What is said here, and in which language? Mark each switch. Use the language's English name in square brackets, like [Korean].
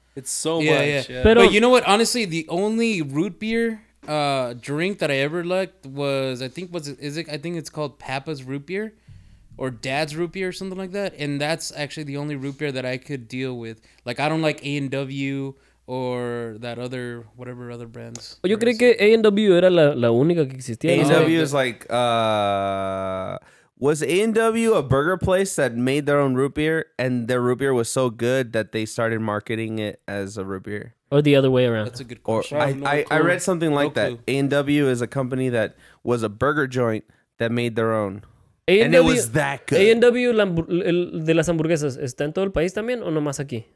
[English] It's so yeah, much. Yeah. Yeah. But you know what? Honestly, the only root beer drink that I ever liked was, I think it's called Papa's Root Beer or Dad's Root Beer or something like that. And that's actually the only root beer that I could deal with. Like, I don't like A&W. Or that other, whatever other brands. [Spanish] Oh, yo creí que A&W era la única que existía. [English] A&W is like, was A&W a burger place that made their own root beer? And their root beer was so good that they started marketing it as a root beer? Or the other way around. That's a good question. I read something like that. A&W is a company that was a burger joint that made their own. A&W, and it was that good. [Spanish] A&W de las hamburguesas, ¿está en todo el país también o nomás aquí?